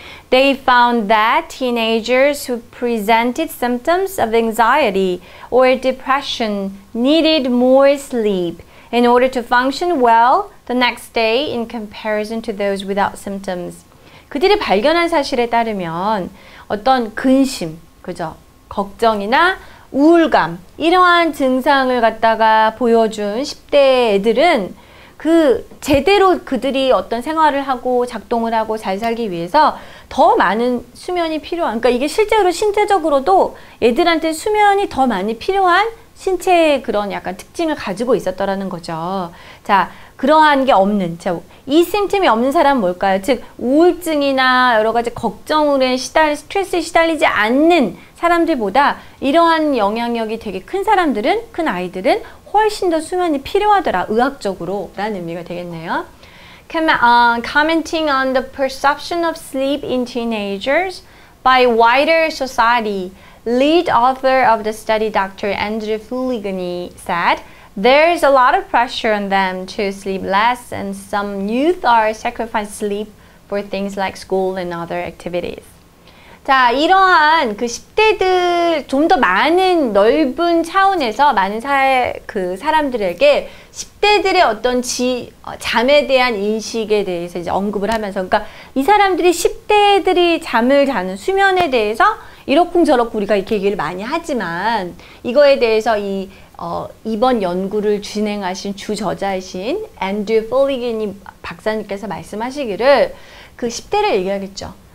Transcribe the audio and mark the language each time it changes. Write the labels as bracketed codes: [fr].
[en] They found that teenagers who presented symptoms of anxiety or depression needed more sleep in order to function well the next day in comparison to those without symptoms. [ko] 그들이 발견한 사실에 따르면 어떤 근심, 그죠? 걱정이나 우울감, 이러한 증상을 갖다가 보여준 10대 애들은 그 제대로 그들이 어떤 생활을 하고 작동을 하고 잘 살기 위해서 더 많은 수면이 필요한 그러니까 이게 실제로 신체적으로도 애들한테 수면이 더 많이 필요한 신체의 그런 약간 특징을 가지고 있었더라는 거죠. 자, 그러한 게 없는 자, 이 심ptom이 없는 사람은 뭘까요? 즉 우울증이나 여러 가지 걱정으로 스트레스에 시달리지 않는 사람들보다 이러한 영향력이 되게 큰 사람들은 큰 아이들은 훨씬 더 수면이 필요하더라, 의학적으로 라는 의미가 되겠네요. [en] Commenting on the perception of sleep in teenagers by wider society, lead author of the study, Dr. Andrew Fuligany, said, there is a lot of pressure on them to sleep less and some youth are sacrificing sleep for things like school and other activities. [ko] 자, 이러한 그 10대들 좀 더 많은 넓은 차원에서 많은 사회 그 사람들에게 10대들의 어떤 잠에 대한 인식에 대해서 이제 언급을 하면서 그러니까 이 사람들이 10대들이 잠을 자는 수면에 대해서 이렇쿵저렇쿵 우리가 이렇게 얘기를 많이 하지만 이거에 대해서 이번 연구를 진행하신 주저자이신 앤드류 폴리긴이 박사님께서 말씀하시기를 그 10대를 얘기하겠죠.